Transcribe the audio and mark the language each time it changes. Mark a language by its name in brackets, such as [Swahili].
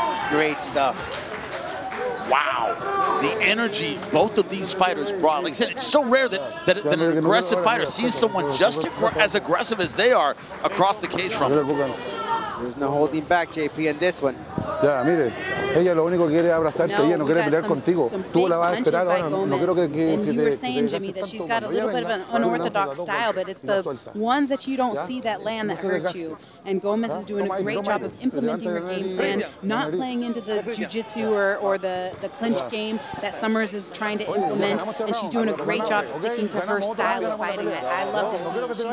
[English] Great stuff. Wow. the energy both of these fighters brought. Like I said, it's so rare that an aggressive fighter sees someone just as aggressive as they are across the cage from him. There's no holding back, JP, in this one. [Spanish] Yeah, mire, ella lo único que quiere abrazarte, ella no quiere pelear contigo. Tú la vas a esperar, ahora no quiero que te... [English] And you were saying, Jimmy, that she's got a little bit of an unorthodox style, but it's the ones that you don't see that land that hurt you. And Gomez is doing a great job of implementing her game plan, not playing into the jiu-jitsu or the clinch game that Summers is trying to implement. And she's doing a great job sticking to her style of fighting. I love to see it.